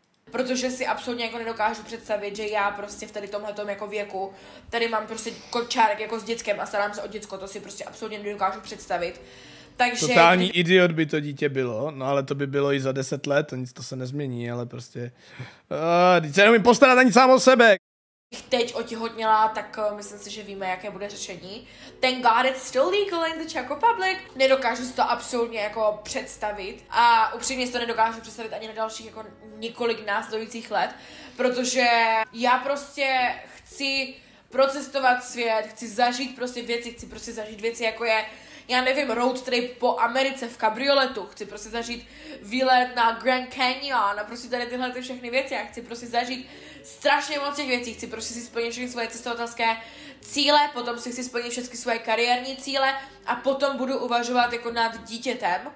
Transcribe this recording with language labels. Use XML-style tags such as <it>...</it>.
<cs>Protože si absolutně jako nedokážu představit, že já prostě v tady tomhletom jako věku, tady mám prostě kočárek jako s dětskem a starám se o děcko, to si prostě absolutně nedokážu představit. Takže... Totální idiot by to dítě bylo, no ale to by bylo i za 10 let, to nic to se nezmění, ale prostě... Teď se nemůžu postarat ani sám o sebe! Kdybych teď otihotněla, tak myslím si, že víme, jaké bude řešení.</cs> <en>Thank God it's still legal in the Czech Republic.</en> <cs>Nedokážu si to absolutně jako představit. A upřímně si to nedokážu představit ani na dalších jako několik následujících let. Protože já prostě chci procestovat svět, chci zažít prostě věci, jako je, já nevím, road trip po Americe v kabrioletu, chci prostě zažít výlet na Grand Canyon a prostě tady tyhle ty všechny věci, já chci prostě zažít strašně moc těch věcí, chci prostě si splnit všechny svoje cestovatelské cíle, potom si chci splnit všechny svoje kariérní cíle a potom budu uvažovat jako nad dítětem.</cs>